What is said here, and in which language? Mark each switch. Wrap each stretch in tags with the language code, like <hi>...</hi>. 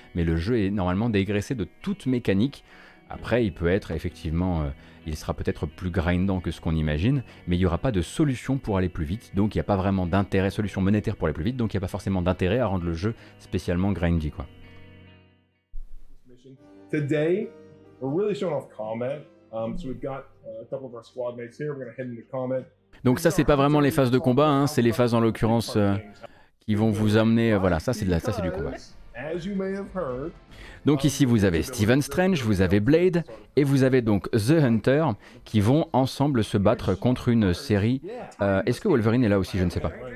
<fr>Mais le jeu est normalement dégraissé de toute mécanique. Après, il peut être effectivement, il sera peut-être plus grindant que ce qu'on imagine, mais il n'y aura pas de solution pour aller plus vite, donc il n'y a pas vraiment d'intérêt, solution monétaire pour aller plus vite, donc il n'y a pas forcément d'intérêt à rendre le jeu spécialement grindy, quoi.</fr> <en>Today, we're really showing off combat, so we've got a couple of our squad mates here, we're going to head into combat.</en> <fr>Donc ça, c'est pas vraiment les phases de combat, hein, c'est les phases, en l'occurrence, qui vont vous amener, voilà, ça c'est du combat.</fr> <en>As you may have heard,</en> <fr>donc ici vous avez Stephen Strange, vous avez Blade et vous avez donc The Hunter qui vont ensemble se battre contre une série, est-ce que Wolverine est là aussi, je ne sais pas.</fr>